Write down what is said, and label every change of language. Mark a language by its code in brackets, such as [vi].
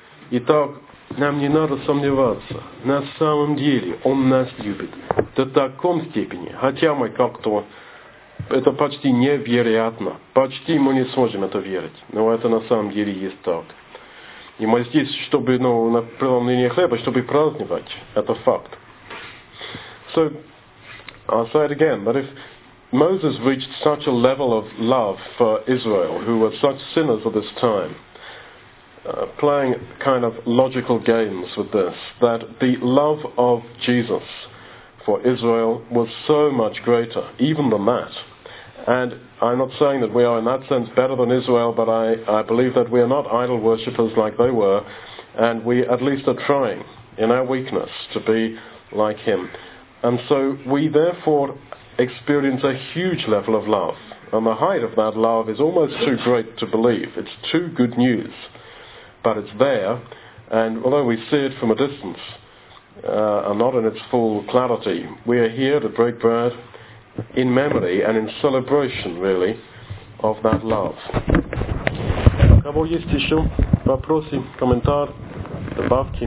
[ru] Итак, нам не надо сомневаться. На самом деле, Он нас любит. До такой степени. Хотя мы как-то... это почти невероятно. Почти мы не сможем это верить. Но это на самом деле есть так. И мы здесь, чтобы, ну, на преломление хлеба, чтобы праздновать. Это факт. [en] So, I'll say it again. But if Moses reached such a level of love for Israel, who were such sinners at this time, playing kind of logical games with this, that the love of Jesus for Israel was so much greater, even than that. And I'm not saying that we are in that sense better than Israel, but I believe that we are not idol worshippers like they were, and we at least are trying in our weakness to be like Him. And so we therefore experience a huge level of love, and the height of that love is almost too great to believe. It's too good news. But it's there, and although we see it from a distance, are not in its full clarity. We are here to break bread in memory and in celebration, really, of that love. [ru] У кого есть еще вопросы, комментарии, добавки?